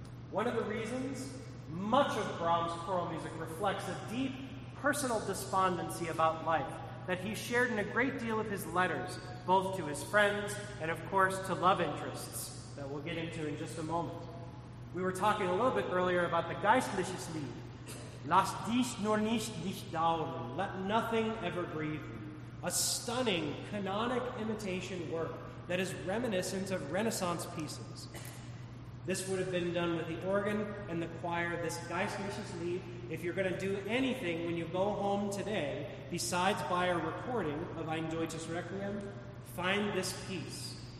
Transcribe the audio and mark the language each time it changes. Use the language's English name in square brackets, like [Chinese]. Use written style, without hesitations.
[English] One of the reasons, much of Brahms' choral music reflects a deep personal despondency about life that he shared in a great deal of his letters, both to his friends and, of course, to love interests that we'll get into in just a moment. We were talking a little bit earlier about the Geistliches Lied. [German] Lass dies nur nicht dich dauern, [English] let nothing ever grieve you. A stunning, canonic imitation work that is reminiscent of Renaissance pieces. This would have been done with the organ and the choir, this Geistliches Lied. If you're going to do anything when you go home today, besides buy a recording of Ein Deutsches Requiem, find this piece.